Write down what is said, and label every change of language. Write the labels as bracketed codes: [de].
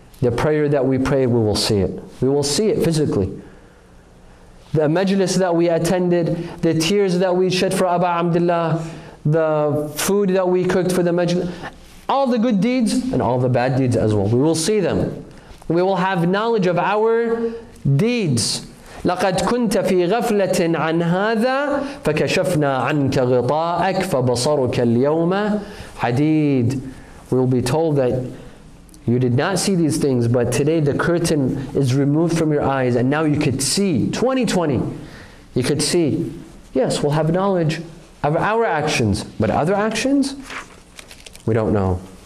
[en] The prayer that we pray, we will see it. We will see it physically. The majlis that we attended, the tears that we shed for Aba Abdullah, the food that we cooked for the majlis, all the good deeds and all the bad deeds as well. We will see them. We will have knowledge of our deeds. [ar] لقد كنت في غفلة عن هذا فكشفنا عنك غطاءك فبصرك اليوم حديد. [en] We will be told that you did not see these things, but today the curtain is removed from your eyes and now you could see. 2020, you could see. Yes, we'll have knowledge of our actions, but other actions, we don't know.